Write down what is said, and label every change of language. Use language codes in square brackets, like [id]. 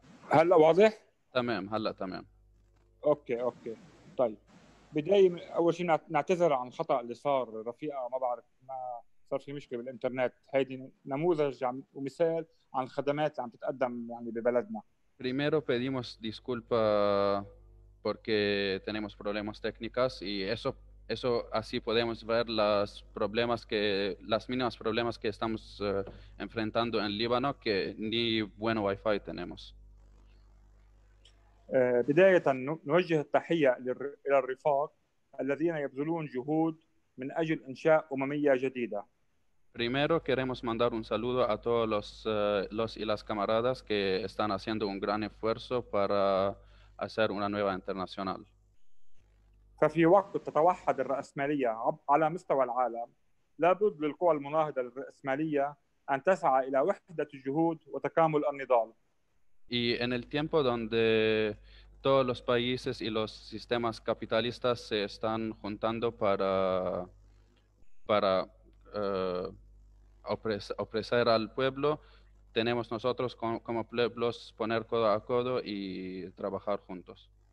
[ar] هلا واضح تمام هلا تمام اوكي طيب بداية اول شيء نعتذر عن الخطا اللي صار رفيقه ما بعرف ما صار في مشكله بالانترنت هيدي نموذج ومثال عن الخدمات اللي عم تتقدم يعني ببلدنا [es] primero pedimos disculpa porque tenemos problemas técnicas y eso así podemos ver las mínimas problemas que estamos enfrentando en Líbano que ni buen wifi tenemos. [ar] بداية نوجه التحية إلى الرفاق الذين يبذلون جهود من أجل إنشاء أممية جديدة. [es] Primero queremos mandar un saludo a todos los y las camaradas que están haciendo un gran esfuerzo para hacer una nueva internacional. [ar] ففي وقت تتوحد الرأسمالية على مستوى العالم لابد للقوى المناهضة للرأسمالية أن تسعى إلى وحدة الجهود وتكامل النضال. [es] Y en el tiempo donde todos los países y los sistemas capitalistas se están juntando para ofrecer al pueblo, tenemos nosotros como pueblos poner codo a codo y trabajar juntos.